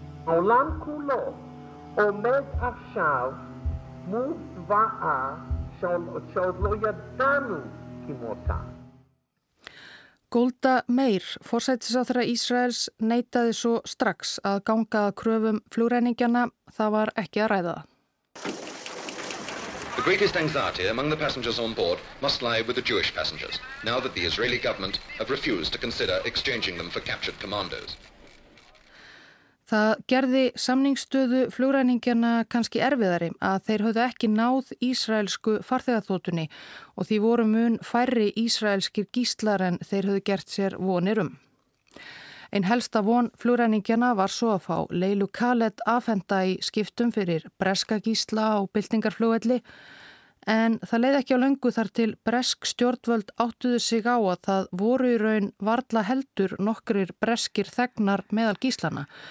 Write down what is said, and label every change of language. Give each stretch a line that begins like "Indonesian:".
Icelandic: Á langkúla og með af sjá múð vaa sjálflója danu kímóta. Golda Meir, forsætisráðherra Ísraels, neitaði svo strax að ganga að kröfum flugræningjana. Það var ekki að ræða.
English: The greatest anxiety among the passengers on board must lie with the Jewish passengers, now that the Israeli government have refused to consider exchanging them for captured commandos.
Icelandic: Það gerði samningsstöðu flugræningjana kannski erfiðari að þeir höfðu ekki náð ísraelsku farþegaþotunni og því voru mun færri ísraelskir gíslar en þeir höfðu gert sér vonir Ein helsta von flugræningjana var svo að fá Leilu Khaled afhenda í skiptum fyrir breska gísla og byltingarflugvelli en það leið ekki á löngu þar til bresk stjórnvöld áttuðu sig á að það voru í raun varla heldur nokkrir breskir þegnar meðal gíslana.